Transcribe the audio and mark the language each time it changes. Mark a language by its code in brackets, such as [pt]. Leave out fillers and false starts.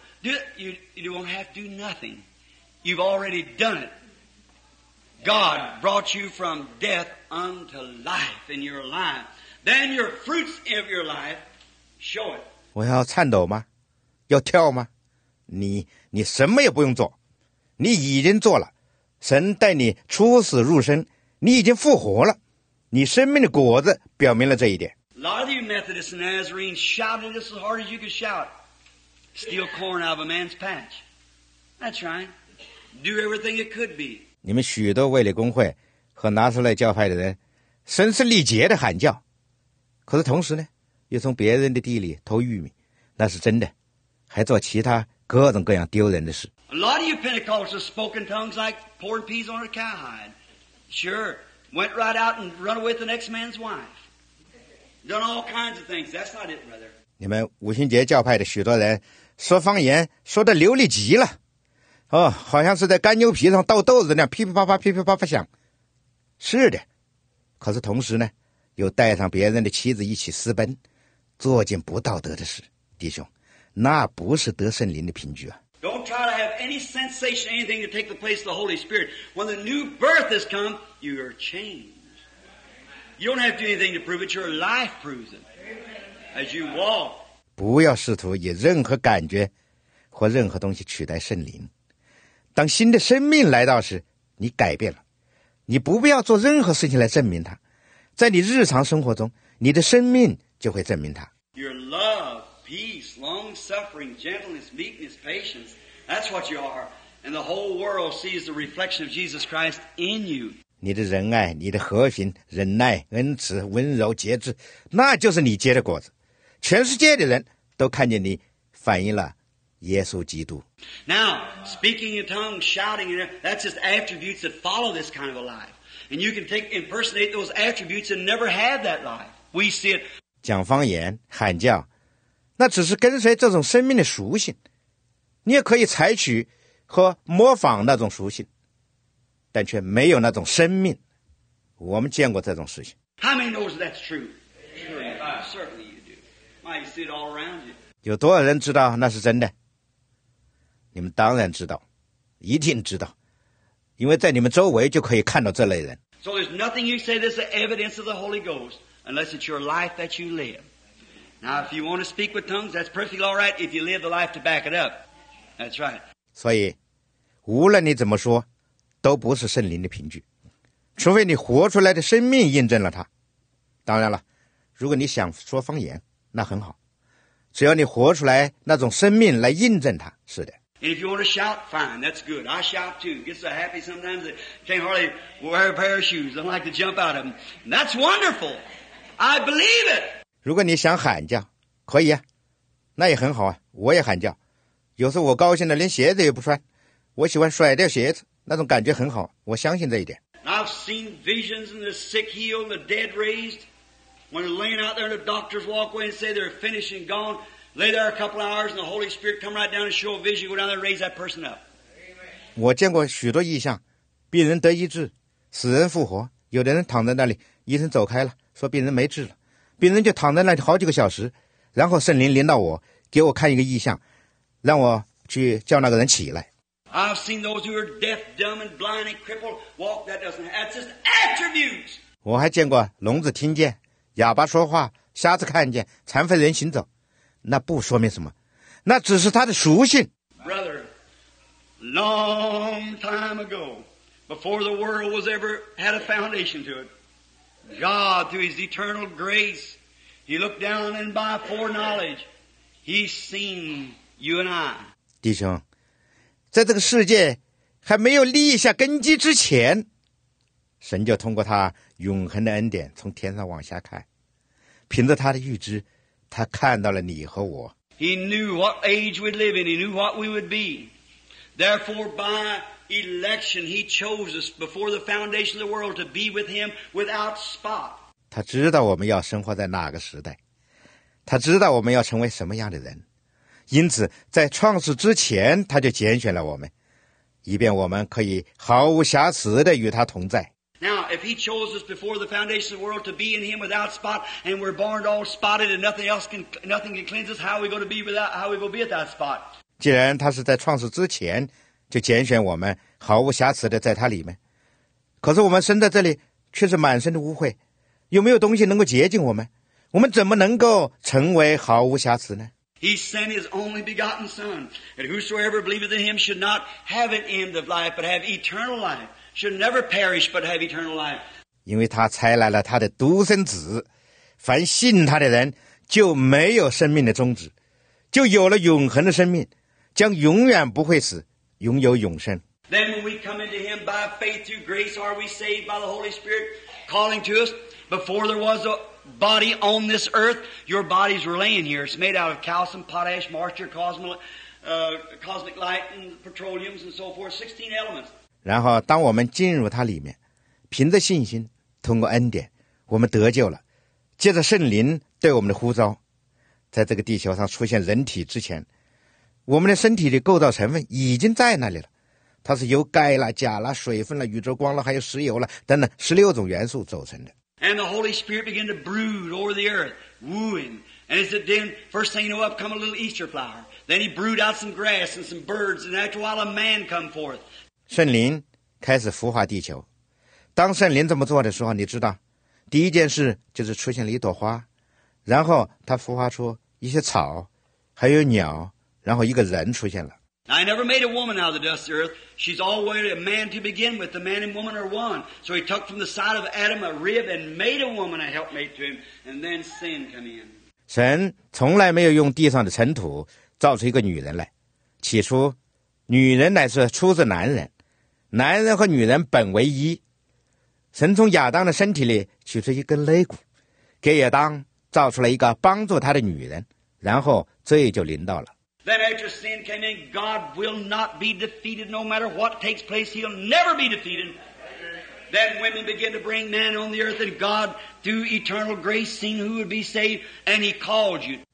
[en] You won't have to do nothing. You've already done it. God brought you from death unto life, and you're alive. Then your fruits of your life show it. [zh] 我要颤抖吗？要跳吗？你什么也不用做，你已经做了，神带你出死入生，你已经复活了，你生命的果子表明了这一点。 [en] A lot of you Methodists and Nazarenes shouted this as hard as you could shout, steal corn out of a man's patch. That's right. Do everything it could be. [zh] 你们许多卫理公会和拿撒勒教派的人声嘶力竭的喊叫，可是同时呢，又从别人的地里偷玉米，那是真的，还做其他。各种各样丢人的事。 [en] A lot of you Pentecostals spoke in tongues like pouring peas on a cowhide. Sure, went right out and run away with the next man's wife. Done all kinds of things. That's not it, brother. [zh] 你们五旬节教派的许多人说方言说得流利极了，哦，好像是在干牛皮上倒豆子那样噼噼啪啪噼噼啪啪响。是的，可是同时呢，又带上别人的妻子一起私奔，做尽不道德的事，弟兄。那不是得圣灵的凭据啊。 [en] Don't try to have any sensation, anything to take the place of the Holy Spirit. When the new birth has come, you are changed. You don't have to do anything to prove it, your life proves it. As you walk. [zh] 不要试图以任何感觉或任何东西取代圣灵。当新的生命来到时，你改变了。你不必要做任何事情来证明它。在你日常生活中，你的生命就会证明它。 [en] Your love. Peace, long-suffering, gentleness, meekness, patience. That's what you are. And the whole world sees the reflection of Jesus Christ in you. [zh] 你的仁爱，你的和平，忍耐，恩慈，温柔，节制，那就是你结的果子。全世界的人都看见你反映了耶稣基督。 [en] Now, speaking in tongues, shouting, that's just attributes that follow this kind of a life. And you can take, impersonate those attributes and never have that life. We see it. [zh] 讲方言，喊叫。那只是跟随这种生命的属性，你也可以采取和模仿那种属性，但却没有那种生命。我们见过这种事情。 [en] How many knows that's true? Sure, certainly you do. Why you see it all around you? [zh] 有多少人知道那是真的？你们当然知道，一定知道，因为在你们周围就可以看到这类人。 [en] So there's nothing you say that's the evidence of the Holy Ghost unless it's your life that you live. Now, if you want to speak with tongues, that's perfectly all right if you live the life to back it up. That's right. [zh] 所以无论你怎么说都不是圣灵的凭据，除非你活出来的生命印证了它。当然了，如果你想说方言那很好，只要你活出来那种生命来印证它。是的。 [en] If you want to shout, fine, that's good. I shout too. Get so happy sometimes I can't hardly wear a pair of shoes. I like to jump out of them. That's wonderful. I believe it. [zh] 如果你想喊叫，可以啊，那也很好啊。我也喊叫，有时候我高兴的连鞋子也不穿，我喜欢甩掉鞋子，那种感觉很好。我相信这一点。 [en] I've seen visions and the sick healed, the dead raised. When they're laying out there, the doctors walk away and say they're finished and gone. Lay there a couple of hours, and the Holy Spirit come right down and show a vision. Go down there, and raise that person up. [zh] 我见过许多异象，病人得医治，死人复活。有的人躺在那里，医生走开了，说病人没治了。病人就躺在那里好几个小时，然后圣灵临到我，给我看一个异象，让我去叫那个人起来。 [en] I've seen those who are deaf, dumb, and blind, and crippled walk. That doesn't. That's just attributes. [zh] 我还见过聋子听见，哑巴说话，瞎子看见，残废人行走。那不说明什么，那只是他的属性。 [en] Brother, long time ago, before the world was ever had a foundation to it, God, through His eternal grace, He looked down and by foreknowledge, He seen you and I. [zh] 弟兄，在这个世界还没有立下根基之前，神就通过他永恒的恩典从天上往下看，凭着他的预知。他看到了你和我。 [en] He knew what age we'd live in. He knew what we would be. Therefore, by election, He chose us before the foundation of the world to be with Him without spot. [zh] 他知道我们要生活在哪个时代，他知道我们要成为什么样的人，因此在创世之前，他就拣选了我们，以便我们可以毫无瑕疵地与他同在。 [en] Now, if He chose us before the foundation of the world to be in Him without spot, and we're born all spotted, and nothing can cleanse us, how are we going to be without? How are we going to be at that spot? [zh] 既然他是在创世之前就拣选我们，毫无瑕疵的在他里面，可是我们生在这里却是满身的污秽，有没有东西能够洁净我们？我们怎么能够成为毫无瑕疵呢？ [en] He sent His only begotten Son, and whosoever believeth in Him should not have an end of life, but have eternal life. Should never perish, but have eternal life. [zh] 因为他差来了他的独生子，凡信他的人就没有生命的终止，就有了永恒的生命，将永远不会死，拥有永生。 [en] Then when we come into Him by faith through grace, are we saved by the Holy Spirit calling to us? Before there was a body on this earth, your bodies were laying here. It's made out of calcium, potash, moisture, cosmic light, and petroleums, and so forth. 16 elements. [zh] 然后当我们进入他里面，凭着信心通过恩典我们得救了，借着圣灵对我们的呼召，在这个地球上出现人体之前，我们的身体的构造成分已经在那里了，它是由钙了、钾了、水分了、宇宙光了、还有石油了等等16种元素组成的。 [en] And the Holy Spirit began to brood over the earth wooing, and as it then first thing you know up come a little Easter flower, then he brewed out some grass and some birds, and after a while a man come forth. [zh] 圣灵开始孵化地球，当圣灵这么做的时候，你知道第一件事就是出现了一朵花，然后它孵化出一些草，还有鸟，然后一个人出现了。 [en] I never made a woman out of the dust of the earth. She's always a man to begin with. The man and woman are one. So he took from the side of Adam a rib and made a woman a helpmate to him. And then sin came in. [zh] 神从来没有用地上的尘土造出一个女人来，起初女人乃是出自男人，男人和女人本为一。神从亚当的身体里取出一根肋骨，给亚当造出了一个帮助他的女人，然后罪就临到了。 [en] Then after sin came in, God will not be defeated. No matter what takes place, He'll never be defeated. Then women begin to bring man on the earth, and God, through eternal grace, seeing who would be saved, and He called you.